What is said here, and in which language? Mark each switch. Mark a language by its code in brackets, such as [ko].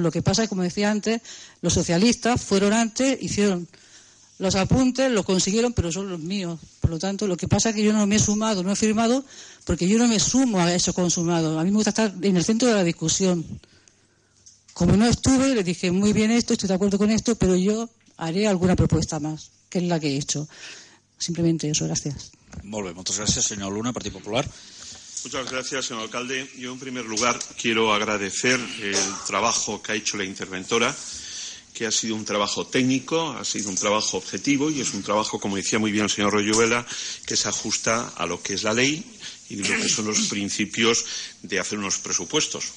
[es] Lo que pasa es, como decía antes, los socialistas fueron antes, hicieron los apuntes, los consiguieron, pero son los míos. Por lo tanto, lo que pasa es que yo no me he sumado, no he firmado, porque yo no me sumo a eso consumado. A mí me gusta estar en el centro de la discusión. Como no estuve, le dije, muy bien esto, estoy de acuerdo con esto, pero yo haré alguna propuesta más, que es la que he hecho. Simplemente eso, gracias. [ca] Molt bé, moltes gràcies, senyor Luna, Partit Popular. [es] Muchas gracias, señor alcalde. Yo, en primer lugar, quiero agradecer el trabajo que ha hecho la interventora, que ha sido un trabajo técnico, ha sido un trabajo objetivo y es un trabajo, como decía muy bien el señor Royuela, que se ajusta a lo que es la ley y lo que son los principios de hacer unos presupuestos.